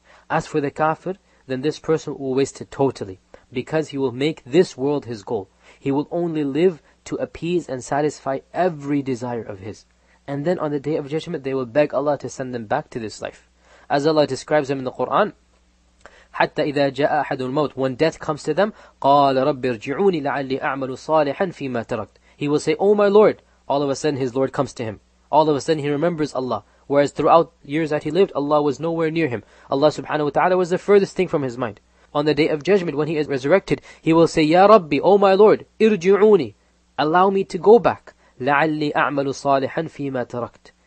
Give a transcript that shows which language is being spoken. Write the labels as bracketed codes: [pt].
[en] As for the kafir, then this person will waste it totally, because he will make this world his goal. He will only live to appease and satisfy every desire of his. And then on the day of judgment, they will beg Allah to send them back to this life. As Allah describes them in the Quran, [ar] حَتَّى إِذَا جَاءَ أَحَدُ الْمَوْتِ. [en] When death comes to them, [ar] قَالَ رَبِّ ارْجِعُونِ لَعَلِّي أَعْمَلُ صَالِحًا فِي مَا تَرَكْتِ. [en] He will say, oh my Lord. All of a sudden his Lord comes to him. All of a sudden he remembers Allah. Whereas throughout years that he lived, Allah was nowhere near him. Allah subhanahu wa ta'ala was the furthest thing from his mind. On the day of judgment, when he is resurrected, he will say, [ar] يَا رَبِّ, [en] oh my Lord, [ar] ارْجِعُونِ. [en] Allow me to go back. [ar] لَعَلِّي أَعْمَلُ صَالِحًا فِي مَا تَرَكْتِ.